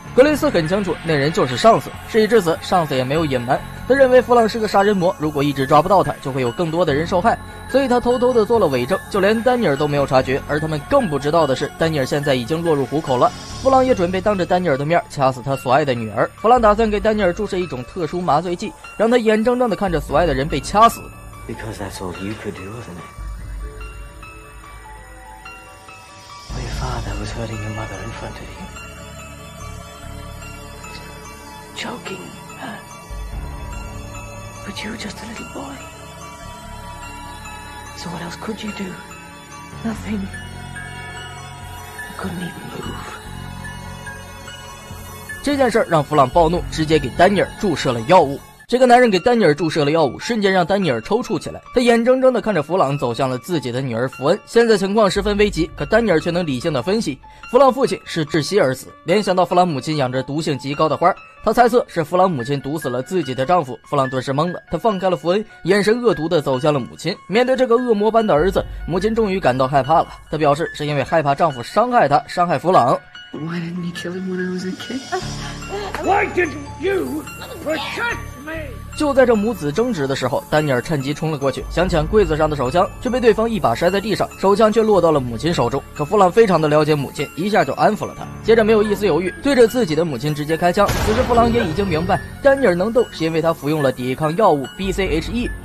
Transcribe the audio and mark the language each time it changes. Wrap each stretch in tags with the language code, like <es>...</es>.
<zh>格雷斯很清楚那人就是上司，事已至此，上司也没有隐瞒，他认为弗朗是个杀人魔，如果一直抓不到他，就会有更多的人受害，所以他偷偷地做了伪证，就连丹尼尔都没有察觉。而他们更不知道的是，丹尼尔现在已经落入虎口了，弗朗也准备当着丹尼尔的面掐死他所爱的女儿。弗朗打算给丹尼尔注射一种特殊麻醉剂，让他眼睁睁地看着所爱的人被掐死。</zh> <en>Because that's all you could do, isn't it? My father was hurting your mother in front of you. Choking her, but you were just a little boy. So what else could you do? Nothing. You couldn't even move.</en> <zh>这件事让弗朗暴怒，直接给丹尼尔注射了药物。这个男人给丹尼尔注射了药物，瞬间让丹尼尔抽搐起来，他眼睁睁地看着弗朗走向了自己的女儿弗恩，现在情况十分危急。可丹尼尔却能理性地分析，弗朗父亲是窒息而死，联想到弗朗母亲养着毒性极高的花，他猜测是弗朗母亲毒死了自己的丈夫。弗朗顿时懵了，他放开了弗恩，眼神恶毒地走向了母亲。面对这个恶魔般的儿子，母亲终于感到害怕了，他表示是因为害怕丈夫伤害他，伤害弗朗。</zh> <en>Why didn't you kill him when I was a kid? Why didn't you protect me?</en> <zh>就在这母子争执的时候，丹尼尔趁机冲了过去，想抢柜子上的手枪，却被对方一把摔在地上，手枪却落到了母亲手中。可弗朗非常的了解母亲，一下就安抚了他，接着没有一丝犹豫，对着自己的母亲直接开枪。此时弗朗也已经明白，丹尼尔能动是因为他服用了抵抗药物 BCHE。</zh>